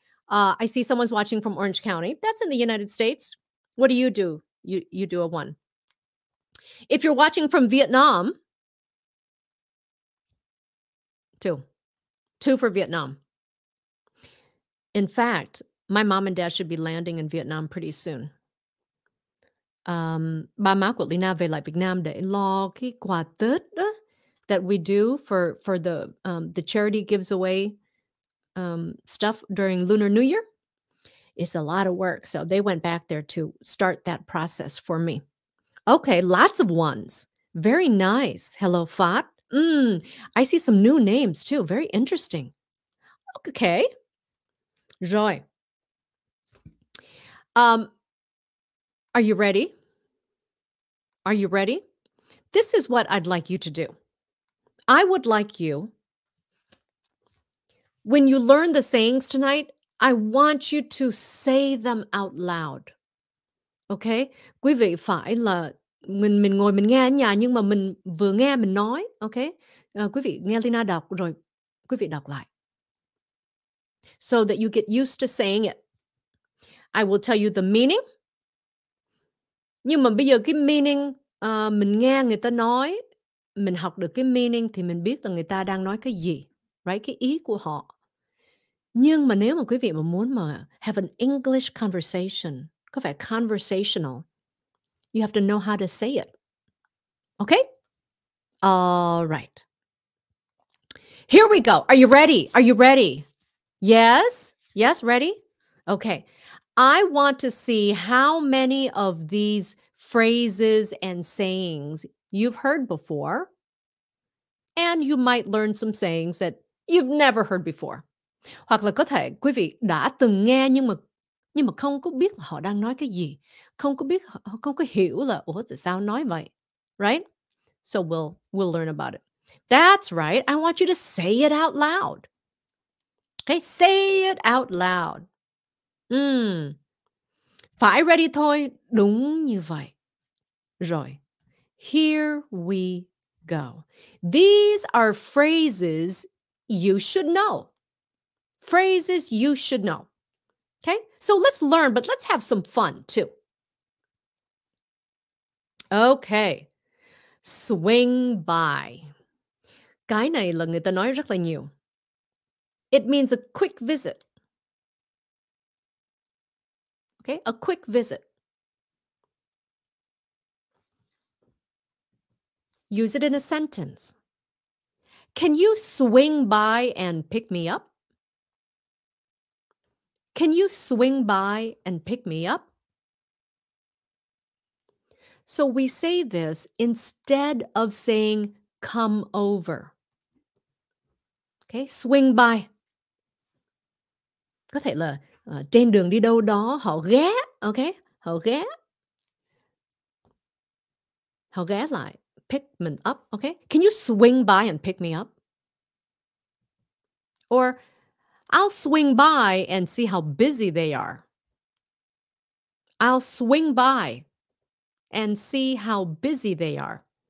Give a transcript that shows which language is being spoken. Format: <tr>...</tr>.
<en>I see someone's watching from Orange County. That's in the United States. What do you do? You do a one. If you're watching from Vietnam, two. Two for Vietnam. In fact, my mom and dad should be landing in Vietnam pretty soon.</en> <vi>Ba má của Leyna về lại Việt Nam để lo cái quà Tết đó</vi> <en>that we do for the charity gives away stuff during Lunar New Year. It's a lot of work. So they went back there to start that process for me. Okay, lots of ones. Very nice. Hello, Phát. I see some new names too. Very interesting. Okay.</en> <vi>Rồi.</vi> <en>Are you ready? Are you ready? This is what I'd like you to do. I would like you, when you learn the sayings tonight, I want you to say them out loud. Okay?</en> <vi>Quý vị phải là mình ngồi mình nghe ở nhà nhưng mà mình vừa nghe mình nói. Okay? Quý vị nghe Leyna đọc rồi quý vị đọc lại.</vi> <en>So that you get used to saying it. I will tell you the meaning.</en> <vi>Nhưng mà bây giờ cái meaning mình nghe người ta nói, mình học được cái meaning thì mình biết là người ta đang nói cái gì,</vi> <en>right?</en> <vi>Cái ý của họ. Nhưng mà nếu mà quý vị mà muốn mà</vi> <en>have an English conversation,</en> <vi>có phải conversational,</vi> <en>you have to know how to say it.</en> <vi>Okay?</vi> <en>All right. Here we go. Are you ready? Are you ready? Yes? Yes, ready? Okay. I want to see how many of these phrases and sayings you've heard before, and you might learn some sayings that you've never heard before.</en> <vi>Hoặc là có thể quý vị đã từng nghe nhưng mà không có biết là họ đang nói cái gì, không có biết, không có hiểu là ủa tại sao nói vậy,</vi> <en>right? So we'll learn about it. That's right. I want you to say it out loud. Okay, say it out loud.</en> <vi>Phải ready thôi, đúng như vậy. Rồi.</vi> <en>Here we go. These are phrases you should know. Phrases you should know. Okay? So let's learn, but let's have some fun too. Okay. Swing by.</en> <vi>Cái này là người ta nói rất là nhiều.</vi> <en>It means a quick visit. Okay? A quick visit. Use it in a sentence. Can you swing by and pick me up? Can you swing by and pick me up? So we say this instead of saying come over. Okay, swing by.</en> <vi>Có thể là trên đường đi đâu đó, họ ghé, okay? Họ ghé. Họ ghé lại.</vi> <en>Pick me up, okay? Can you swing by and pick me up? Or I'll swing by and see how busy they are. I'll swing by and see how busy they are.</en>